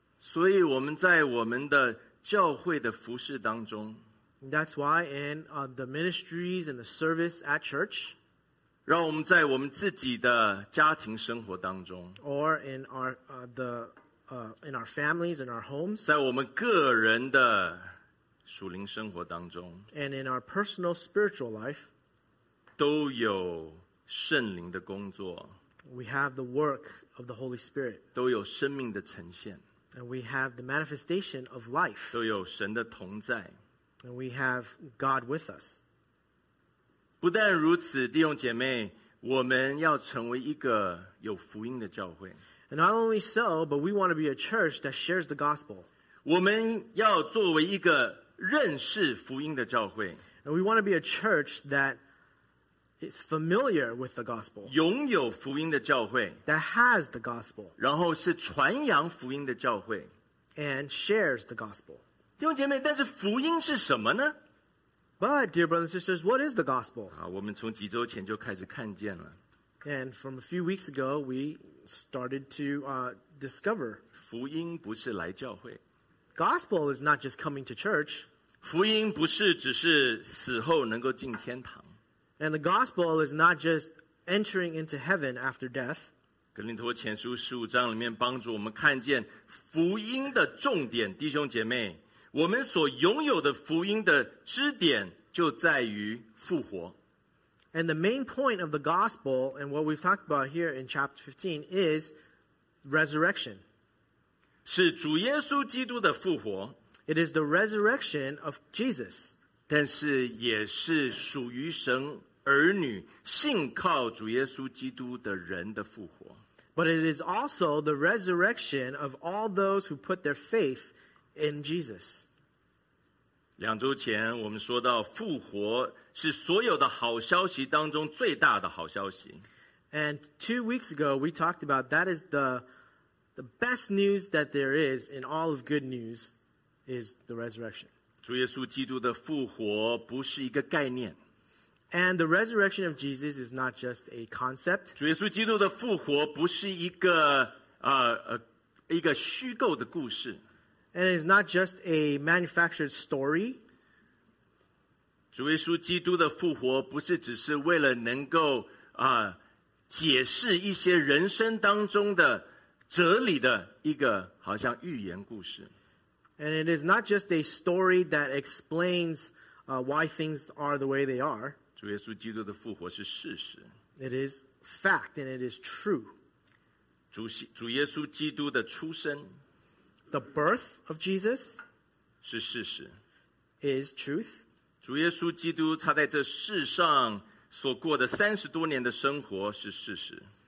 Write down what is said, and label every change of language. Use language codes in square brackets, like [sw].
[zh] 所以我们在我们的教会的服事当中， [en] That's why in the ministries and the service at church, [zh] 让我们在我们自己的家庭生活当中， [en] or in our in our families and our homes, [zh] 在我们个人的属灵生活当中， [en] and in our personal spiritual life, [zh] 都有圣灵的工作， [en] we have the work of the Holy Spirit, [zh] 都有生命的呈现。 [en] And we have the manifestation of life. [zh] 都有神的同在。 [en] And we have God with us. [zh] 不但如此，弟兄姐妹，我们要成为一个有福音的教会。 [en] And not only so, but we want to be a church that shares the gospel. [zh] 我们要作为一个认识福音的教会。 [en] And we want to be a church that is familiar with the gospel. [zh] 拥有福音的教会。 [en] That has the gospel. [zh] 然后是传扬福音的教会。 [en] And shares the gospel. [zh] 弟兄姐妹，但是福音是什么呢？ [en] But, dear brothers and sisters, what is the gospel? [zh] 好，我们从几周前就开始看见了。 [en] And from a few weeks ago, we started to discover. [zh] 福音不是来教会。 [en] Gospel is not just coming to church. [zh] 福音不是只是死后能够进天堂。 [en] And the gospel is not just entering into heaven after death. [zh] 哥林多前书十五章里面帮助我们看见福音的重点，弟兄姐妹，我们所拥有的福音的支点就在于复活。 [en] And the main point of the gospel and what we've talked about here in chapter 15 is resurrection. [zh] 是主耶稣基督的复活。 [en] It is the resurrection of Jesus. [zh] 但是也是属于神儿女信靠主耶稣基督的人的复活。 [en] But it is also the resurrection of all those who put their faith in Jesus. [zh] 两周前我们说到复活是所有的好消息当中最大的好消息。 [en] And 2 weeks ago, we talked about that is the best news that there is in all of good news is the resurrection. [zh] 主耶稣基督的复活不是一个概念。 [en] And the resurrection of Jesus is not just a concept. [zh] 主耶稣基督的复活不是一个一个虚构的故事。 [en] And it's not just a manufactured story. [zh] 主耶稣基督的复活不是只是为了能够解释一些人生当中的哲理的一个好像寓言故事。 [en] And it is not just a story that explains why things are the way they are. [zh] 主耶稣基督的复活是事实。 [en] It is fact and it is true. [zh] 主耶稣基督的出生 [en] The birth of Jesus [zh] 是事实 [en] is truth. [zh] 主耶稣基督他在这世上所过的三十多年的生活是事实。